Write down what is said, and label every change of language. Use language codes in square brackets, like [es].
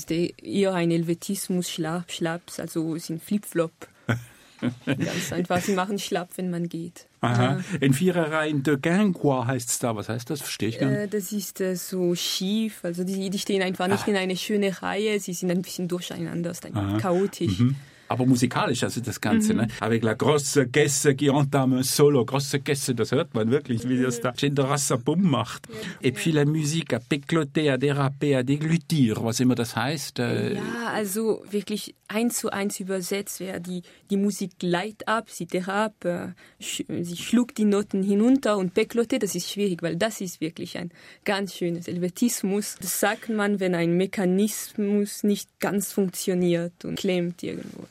[de] Es ist eher ein Helvetismus, Schlaps, also es sind Flip-Flop. Ganz einfach, sie machen Schlapp, wenn man geht. Aha. Ja. In Viererreihen [fr] de Guingois [de] heißt es da. Was heißt das? Verstehe ich gar nicht. Das ist so schief. Also die stehen einfach nicht in eine schöne Reihe. Sie sind ein bisschen durcheinander, ist ein chaotisch. Mhm. Aber musikalisch, also das Ganze, ne? [fr] Avec la grosse caisse qui entame un solo. [de] Grosse caisse, das hört man wirklich, wie das da Cinderassa Bumm macht. Ja. [fr] Et puis la musique à pécloter, à déraper, à déglutir, [de] was immer das heißt. Ja, also wirklich eins zu eins übersetzt wäre, die Musik gleitet ab, sie derab, sie schlug die Noten hinunter und pécloter, das ist schwierig, weil das ist wirklich ein ganz schönes Helvetismus. Das sagt man, wenn ein Mechanismus nicht ganz funktioniert und klemmt irgendwo.